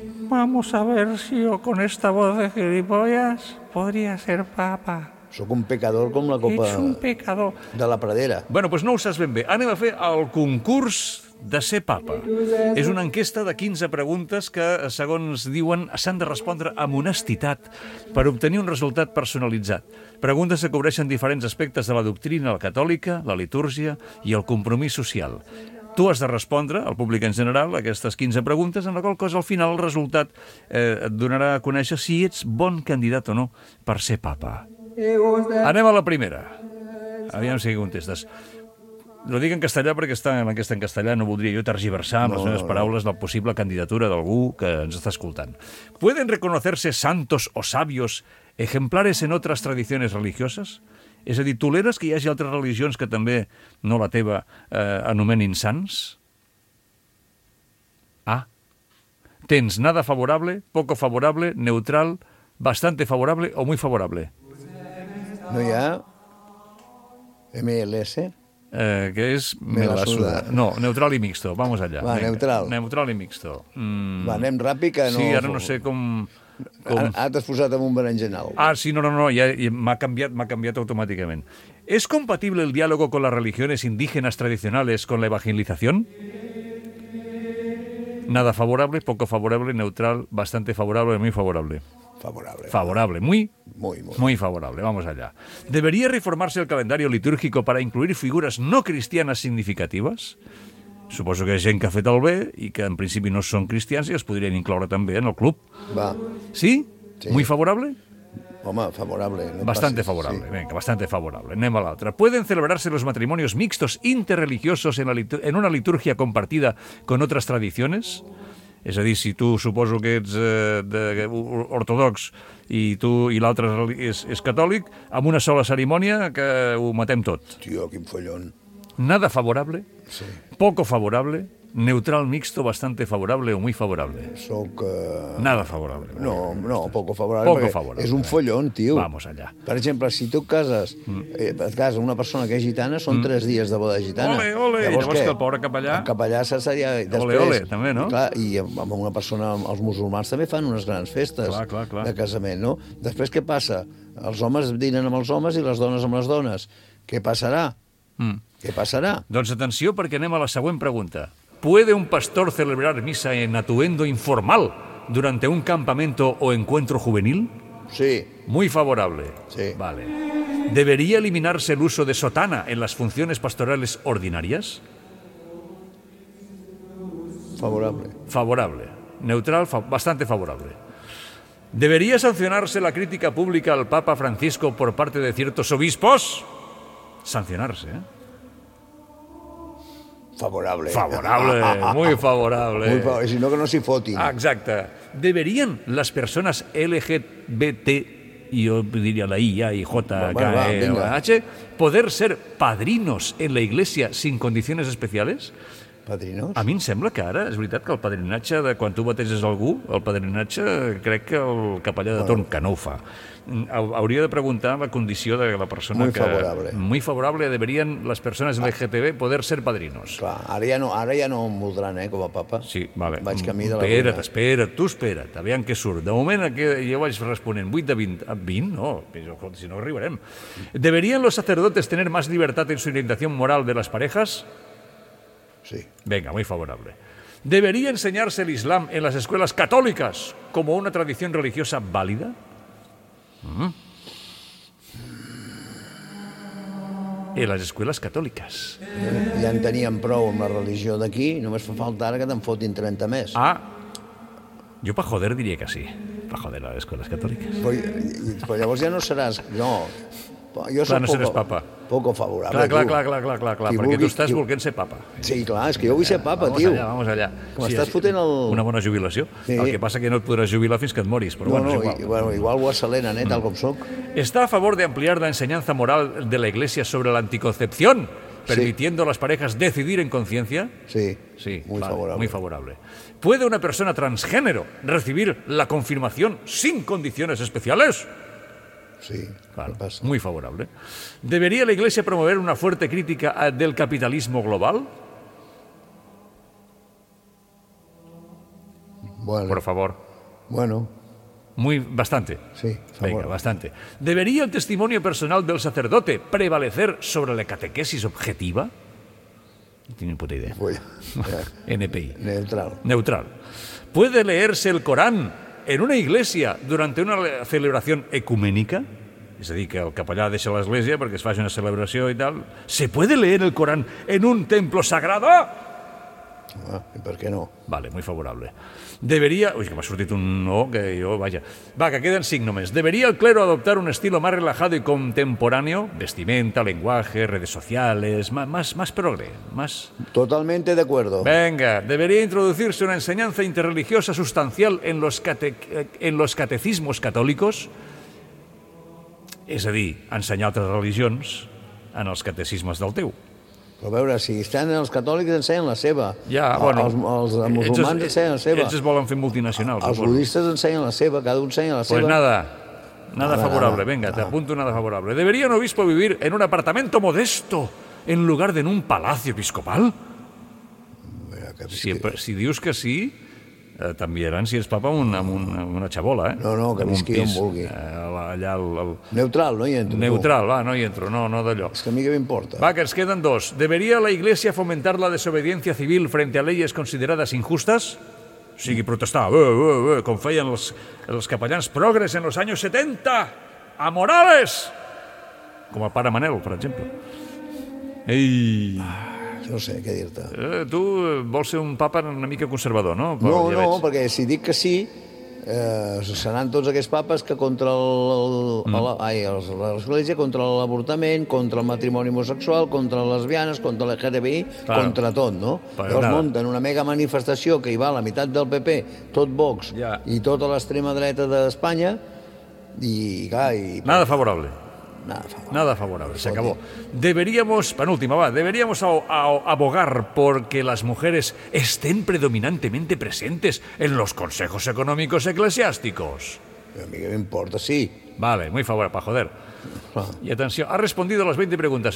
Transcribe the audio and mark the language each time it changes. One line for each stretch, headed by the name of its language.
Spanish: Vamos a ver si yo con esta voz de gilipollas podría ser papa.
Catalan: Sóc un pecador com la copa... Ets un pecador. ...de la pradera. Bueno, doncs no ho saps ben bé. Anem a fer el concurs de ser papa. És una enquesta de 15 preguntes que, segons diuen, s'han de respondre amb honestitat per obtenir un resultat personalitzat. Preguntes que cobreixen diferents aspectes de la doctrina, la catòlica, la litúrgia i el compromís social. Tu has de respondre, al públic en general, aquestes 15 preguntes, en la qual cosa al final el resultat et donarà a conèixer si ets bon candidat o no per ser papa. Anem a la primera. Aviam si contestes. Lo dic en castellà perquè està en aquesta en castellà, no voldria jo tergiversar amb les meves paraules la possible candidatura d'algú que ens està escoltant.
Spanish: ¿Pueden reconocerse santos o sabios ejemplares en otras tradiciones religiosas?
Catalan: És a dir, ¿toleres que hi hagi altres religions que també, no la teva, anomenin sants? A.
Spanish: ¿Tens nada favorable, poco favorable, neutral, bastante favorable o muy favorable?
Catalan: No hi ha MLS... Que és...
Spanish: Me la suda. No, neutral i mixto. Vamos allà.
Catalan: Va, neutral.
Spanish: Neutral i mixto.
Catalan: Va, anem ràpid que no... Sí, ara no sé com... Ara t'has posat en un berenjenal. Ah, sí, no. Ja, m'ha canviat automàticament.
Spanish: ¿Es compatible el diálogo con las religiones indígenas tradicionales con la evangelización? Nada favorable, poco favorable, neutral, bastante favorable, muy favorable. Favorable. Muy favorable, vamos allá. ¿Debería reformarse el calendario litúrgico para incluir figuras no cristianas significativas?
Catalan: Suposo que hi ha gent que ha fet el bé i que en principi no són cristians i es podrien incloure també en el club. Va.
Spanish: Sí? Sí. Muy favorable?
Catalan: Home, favorable. No
Spanish: bastante pases, favorable, sí. Venga, bastante favorable.
Catalan: Anem a l'altra.
Spanish: ¿Pueden celebrarse los matrimonios mixtos interreligiosos en una liturgia compartida con otras tradiciones?
Catalan: És a dir, si tu suposo que ets ortodox i tu i l'altre és catòlic, amb una sola cerimònia que ho matem tot. Tio, quin follón.
Spanish: Nada favorable? Sí. Poco favorable? Neutral, mixto, bastante favorable o muy favorable?
Catalan: Soc...
Spanish: Nada favorable. No, poco favorable. Poco favorable.
Catalan: És un follón, tio.
Spanish: Vamos allà.
Catalan: Per exemple, si tu cases, et cases una persona que és gitana, són 3 dies de boda gitana. Ole. Llavors que el pobre capellà... El capellà seria... Ole, també, no? Clar, i amb una persona, els musulmans també fan unes grans festes clar. De casament, no? Després què passa? Els homes dinen amb els homes i les dones amb les dones. Què passarà? Què passarà? Doncs atenció, perquè anem a la següent pregunta.
Spanish: ¿Puede un pastor celebrar misa en atuendo informal durante un campamento o encuentro juvenil? Sí. Muy favorable. Sí. Vale. ¿Debería eliminarse el uso de sotana en las funciones pastorales ordinarias? Favorable. Favorable. Neutral, bastante favorable. ¿Debería sancionarse la crítica pública al Papa Francisco por parte de ciertos obispos? Sancionarse, Favorable. Favorable, muy favorable. Muy favorable, si no que no se fotin. Exacto. ¿Deberían las personas LGBT, yo diría la I, A, I, J, K, E, H, poder ser padrinos en la iglesia sin condiciones especiales? Padrinos?
Catalan: A mi em sembla que ara, és veritat, que el padrinatge de quan tu bateges algú, el padrinatge, crec que el capellà de torn, que no ho fa. Hauria de preguntar la condició de la persona
Spanish: muy que... Muy favorable. Muy favorable, deberían
Catalan: les persones
Spanish: LGTB poder ser padrinos.
Catalan: Clar, ara ja no em voldran, com a papa. Sí, vale. Vaig camí de la primera. Espera't, aviam què surt. De moment jo vaig responent 8 de 20. 20? No, si no arribarem.
Spanish: ¿Deberían los sacerdotes tener más libertad en su orientación moral de las parejas? Sí. Venga, muy favorable. ¿Debería enseñarse el Islam en las escuelas católicas como una tradición religiosa válida? En las escuelas católicas.
Catalan: Ya en tenían prou amb la religió d'aquí, només fa falta ara que te'n fotin 30 més. Ah, jo
Spanish: pa joder
Catalan: diria que sí, pa joder a les escuelas católicas. Pues llavors ja no seràs... No. Jo clar, no poco, seràs papa.
Spanish: Poco favorable.
Catalan: Clar, perquè tu estàs volent ser papa. Sí, clar, és que jo vull ser papa,
Spanish: vamos tio. Vamos allà.
Catalan: Com sí, estàs fotent el... Una bona jubilació. Sí. El que passa que no et podràs jubilar fins que et moris, però no, bueno, no, és igual. Igual ho acelera, tal com sóc.
Spanish: ¿Está a favor de ampliar la enseñanza moral de la Iglesia sobre la anticoncepción, permitiendo a las parejas decidir en conciencia? Sí. Sí, muy vale, favorable. Muy favorable. ¿Puede una persona transgénero recibir la confirmación sin condiciones especiales? Sí, claro, muy favorable. ¿Debería la Iglesia promover una fuerte crítica del capitalismo global? Bueno. Por favor. Bueno. Muy, bastante. Sí, favor. Venga, bastante. ¿Debería el testimonio personal del sacerdote prevalecer sobre la catequesis objetiva? No tiene puta idea. NPI. Neutral. Neutral. ¿Puede leerse el Corán en una iglesia durante una celebración ecuménica?
Catalan: És a dir, que el capellà deixa l'església perquè es faci una celebració i tal.
Spanish: ¿Se puede leer el Corán en un templo sagrado?
Catalan: ¿Per què no?
Spanish: Vale, muy favorable.
Catalan: ¿Debería...? Ui, que m'ha sortit un no, que jo... Vaja. Va, que queden 5 només.
Spanish: ¿Debería el clero adoptar un estilo más relajado y contemporáneo? Vestimenta, lenguaje, redes sociales... Más progre, más... Totalmente de acuerdo. Venga, ¿debería introducirse una enseñanza interreligiosa sustancial en los, los catecismos católicos?
Catalan: És a dir, ensenyar altres religions en els catecismes del teu. Però a veure, si estan els catòlics, ensenyen la seva. Ja, bueno. Els musulmans ensenyen la seva. Ells es volen fer multinacionals. Els budistes ensenyen la seva, cada un ensenya la seva.
Spanish: Pues nada, nada favorable, venga, te apunto nada favorable. ¿Debería un obispo vivir en un apartamento modesto en lugar de en un palacio episcopal?
Catalan: Si dius que sí... T'enviaran, si ets papa, amb una xabola, eh? No, que visqui on vulgui. Allà el... Neutral, no hi entro. Neutral, tu. Va, no hi entro, no d'allò. És que a mi què m'importa. Va, que ens queden 2.
Spanish: ¿Debería la Iglesia fomentar la desobediencia civil frente a leyes consideradas injustas?
Catalan: O sigui, protestar, com feien els capellans progres
Spanish: en los años 70,
Catalan: a Morales! Com el pare Manel, per exemple. Ei... No sé què dir-te. Tu vols ser un papa una mica conservador, no? Però no, ja perquè si dic que sí, seran tots aquests papes que contra l'Església, contra l'avortament, contra el matrimoni homosexual, contra les lesbianes, contra l'LGTBI, contra tot, no? Llavors munten una mega manifestació que hi va a la meitat del PP, tot Vox i tota l'extrema dreta d'Espanya, i clar...
Spanish: Nada favorable. Nada favorable, se acabó. Deberíamos, penúltima, va, deberíamos abogar porque las mujeres estén predominantemente presentes en los consejos económicos eclesiásticos. A mí que me importa, sí. Vale, muy favorable, para joder. Y atención, ha respondido las 20 preguntas.